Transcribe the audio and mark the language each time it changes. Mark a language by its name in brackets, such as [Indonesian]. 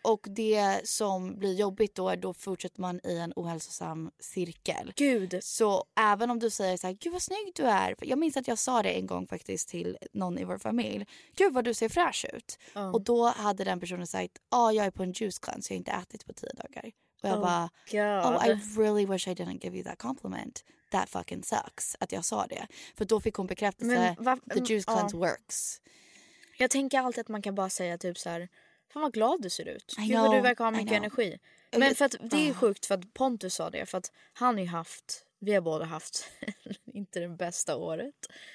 [Swedish] Och det som blir jobbigt då är då fortsätter man i en ohälsosam cirkel. Gud. Så även om du säger så här, gud vad snygg du är. Jag minns att jag sa det en gång faktiskt till någon i vår familj. Gud vad du ser fräsch ut. Mm. Och då hade den personen sagt, ja, jag är på en juice cleanse, så jag har inte ätit på 10 dagar. Och jag bara, [English] I really wish I didn't give you that compliment. That fucking sucks [Swedish] att jag sa det. För då fick hon bekräftelse, [English] the juice cleanse works. [Swedish] Jag tänker alltid att man kan bara säga typ så här, fan vad glad du ser ut. Gud vad du verkar ha mycket energi. Men för att det är sjukt, för att Pontus sa det, för att han har ju haft, vi har båda haft inte det bästa året.